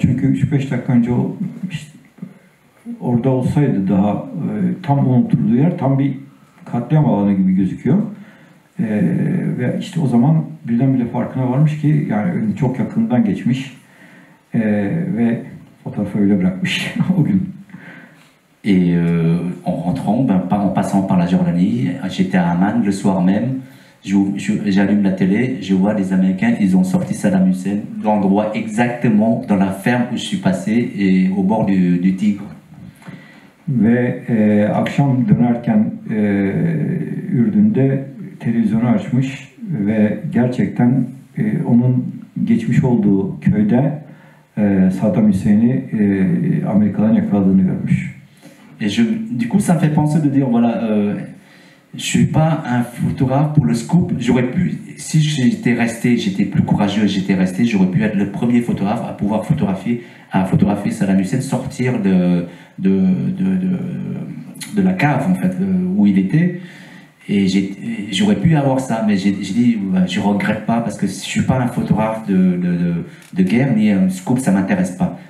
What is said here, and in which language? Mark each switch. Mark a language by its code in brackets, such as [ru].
[tr] Çünkü 3-5 dakika önce orada olsaydı daha tam unutulduğu yer tam bir katliam alanı gibi gözüküyor. Ve işte o zaman birdenbire farkına varmış ki yani ölüm çok yakından geçmiş. Ve fotoğrafı öyle bırakmış o gün. [fr] Et en rentrant, ben, en passant par la Jordanie, j'étais à Amman le soir même. J'allume la télé, je vois les Américains, ils ont sorti Saddam Hussein, l'endroit exactement dans la ferme où je suis passé, et au bord du Tigre. [tr] Ve akşam dönerken Ürdün'de televizyonu açmış ve gerçekten onun geçmiş olduğu köyde Saddam Hüseyin'i Amerika'dan yakaladığını görmüş. [fr] Et je, du coup ça me fait penser de dire voilà je suis pas un photographe pour le scoop, j'aurais pu si j'étais resté, j'étais plus courageux, j'étais resté, j'aurais pu être le premier photographe à pouvoir photographier Saddam Hussein sortir de la cave en fait où il était et j'aurais pu avoir ça mais j'ai dit je regrette pas parce que je suis pas un photographe de guerre ni un scoop, ça m'intéresse pas.